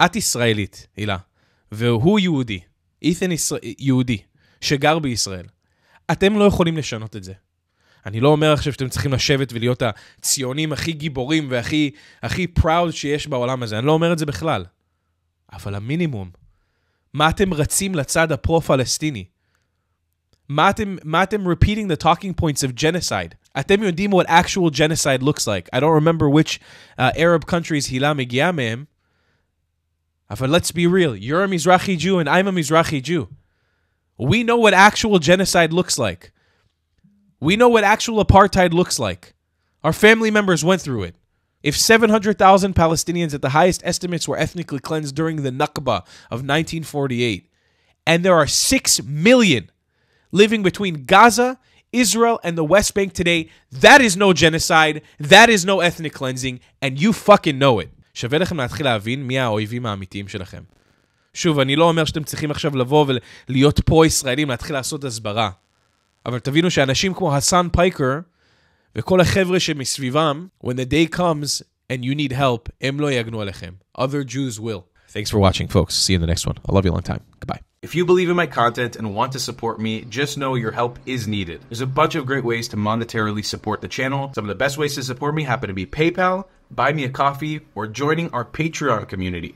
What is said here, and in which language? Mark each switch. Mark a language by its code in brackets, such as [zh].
[he] את ישראלית, הילה, והוא יהודי, איתן יהודי, שגר בישראל. אתם לא יכולים לשנות את זה. אני לא אומר עכשיו שאתם צריכים לשבת ולהיות הציונים הכי גיבורים והכי הכי פראוד שיש בעולם הזה. אני לא אומר את זה בכלל. אבל המינימום, מה אתם רצים לצד הפרו-פלסטיני? מה אתם [en] repeating the talking points of genocide? [he] אתם יודעים [en] what actual genocide looks like. I don't remember which Arab countries [he] הילה מגיעה מהם. [en] אבל let's be real, you're a Mizrahi Jew and I'm a Mizrahi Jew. We know what actual genocide looks like. We know what actual apartheid looks like. Our family members went through it. If 700,000 Palestinians at the highest estimates were ethnically cleansed during the Nakba of 1948, and there are 6 million living between Gaza, Israel, and the West Bank today, that is no genocide, that is no ethnic cleansing, and you fucking know it. [he] שווה לכם להתחיל להבין מי האויבים האמיתיים שלכם. שוב, אני לא אומר שאתם צריכים עכשיו לבוא ולהיות פה ישראלים, להתחיל לעשות הסברה. אבל תבינו שאנשים כמו הסן פייקר, וכל החבר'ה שמסביבם, [en] when the day comes and you need help, [he] הם לא יגנו עליכם. [en] Other Jews will. Thanks for watching, folks. See you in the next one. I love you a long time. Goodbye. If you believe in my content and want to support me, just know your help is needed. There's a bunch of great ways to monetarily support the channel. Some of the best ways to support me happen to be PayPal, Buy Me a Coffee, or joining our Patreon community.